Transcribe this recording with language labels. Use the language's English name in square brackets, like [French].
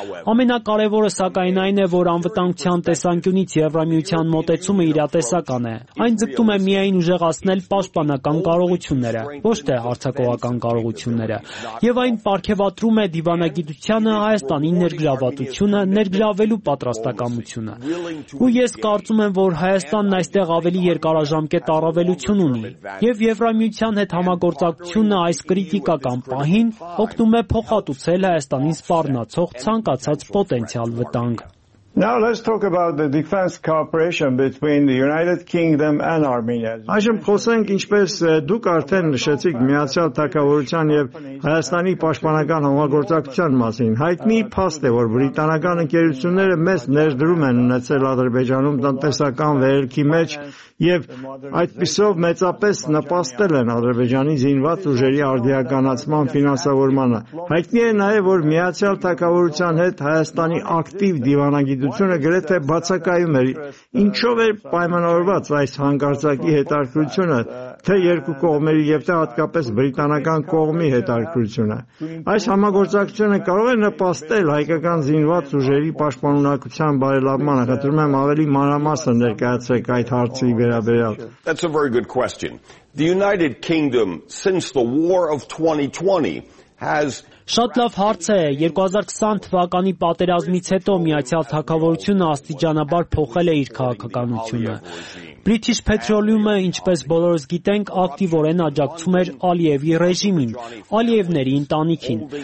[Armenian] Ամենակարևորը, սակայն, այն է, որ անվտանգության տեսանկյունից Եվրամիության մոտեցումը իրատեսական է։ Այն ձգտում է միայն ուժեղացնել պաշտպանական կարողությունները, ոչ թե հարձակողական կարողությունները, և այն պարգևատրում է դիվանագիտությանը, Հայաստանի ներգրավվածությունը, ավելու պատրաստակամությունը։ Ու ես կարծում եմ, որ Հայաստանն այստեղ ավելի երկարաժամկետ առավելություն ունի, և Եվրամիության հետ համագործակցությունը այս կրիտիկական պահին օգնում է փոխհատուցել Հայաստանին սպառնացող ցանկացած պոտենցիալ վտանգ։ [English] Now let's talk about the defense cooperation between the United Kingdom and Armenia. [Armenian] Այժմ խոսենք, ինչպես դուք արդեն նշեցիք, Միացյալ Թագավորության և Հայաստանի պաշտպանական համագործակցության մասին։ Հայտնի փաստ է, որ բրիտանական ընկերությունները մեծ ներդրում են ունեցել Ադրբեջանում տնտեսական վերելքի մեջ և այդպիսով մեծապես նպաստել են Ադրբեջանի զինված ուժերի արդիականացման ֆինանսավորմանը։ Հայտնի է նաև, որ Միացյալ Թագավորության հետ Հայաստանի ակտիվ դիվանագիտությունը գրեթե բացակայում էր, ինչով էր պայմանավորված այս հանկարծակի հետարկությունը, թե երկու կողմերի և թե հատկապես բրիտանական կողմի հետարկությունը։ Այս համագործակցությունը կարող է նպաստել հայկական զինված ուժերի պաշտպանունակության բարելավմանը։ Կտրում եմ ավելի մանրամասն ներկայացրեք այդ հարցի վերաբերյալ։ [English] That's a very good question. The United Kingdom, since the war of 2020, has [Armenian] Շատ լավ հարց է, 2020 թվականի պատերազմից հետո Միացյալ Թագավորությունը աստիճանաբար փոխել է իր քաղաքականությունը։ British Petroleum-ը, ինչպես բոլորս գիտենք, ակտիվորեն աջակցում էր Ալիևի ռեժիմին, Ալիևների ընտանիքին։